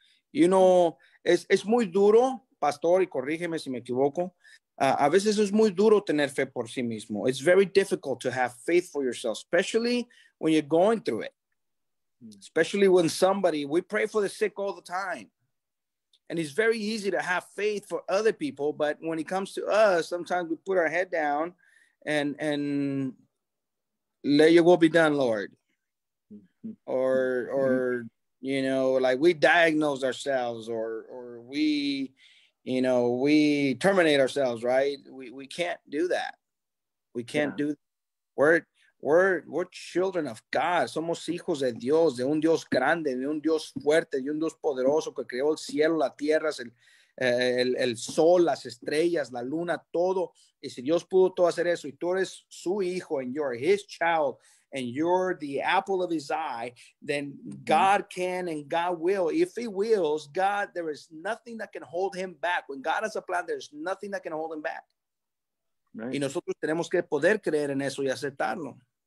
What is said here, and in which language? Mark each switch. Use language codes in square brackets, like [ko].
[es] Y uno, es muy duro, pastor, y corrígeme si me equivoco, a veces es muy duro tener fe por sí mismo. [en] It's very difficult to have faith for yourself, especially when you're going through it. Especially when somebody, we pray for the sick all the time. And it's very easy to have faith for other people, but when it comes to us, sometimes we put our head down and let your will be done, Lord. Or you know, like we diagnose ourselves or we, you know, we terminate ourselves, right? We can't do that. We can't do that. We're children of God. [es] Somos hijos de Dios, de un Dios grande, de un Dios fuerte, de un Dios poderoso que creó el cielo, la tierra, el sol, las estrellas, la luna, todo. Y si Dios pudo todo hacer eso, y tú eres su hijo, [en] and you're his child, and you're the apple of his eye, then God can and God will. If he wills, God, there is nothing that can hold him back. When God has a plan, there's nothing that can hold him back. [es] Right. Y nosotros tenemos que poder creer en eso y aceptarlo.